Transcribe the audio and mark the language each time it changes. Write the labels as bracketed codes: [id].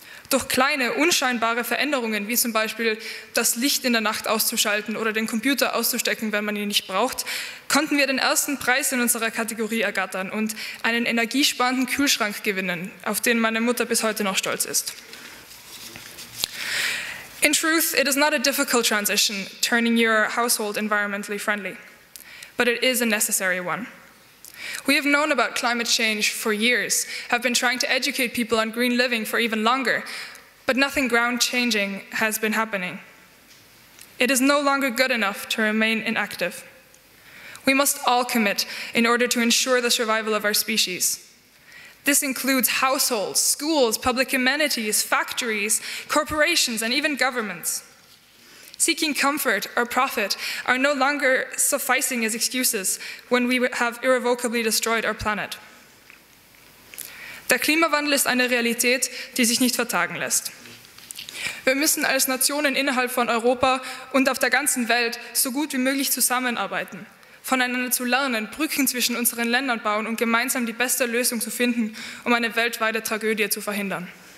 [de] Durch kleine, unscheinbare Veränderungen, wie zum Beispiel das Licht in der Nacht auszuschalten oder den Computer auszustecken, wenn man ihn nicht braucht, konnten wir den ersten Preis in unserer Kategorie ergattern und einen energiesparenden Kühlschrank gewinnen, auf den meine Mutter bis heute noch stolz ist. [en] In truth, it is not a difficult transition, turning your household environmentally friendly. But it is a necessary one. We have known about climate change for years, have been trying to educate people on green living for even longer, but nothing ground-changing has been happening. It is no longer good enough to remain inactive. We must all commit in order to ensure the survival of our species. This includes households, schools, public amenities, factories, corporations, and even governments. Seeking comfort or profit are no longer sufficing as excuses when we have irrevocably destroyed our planet. [de] Der Klimawandel ist eine Realität, die sich nicht vertagen lässt. Wir müssen als Nationen innerhalb von Europa und auf der ganzen Welt so gut wie möglich zusammenarbeiten, voneinander zu lernen, Brücken zwischen unseren Ländern bauen und gemeinsam die beste Lösung zu finden, um eine weltweite Tragödie zu verhindern.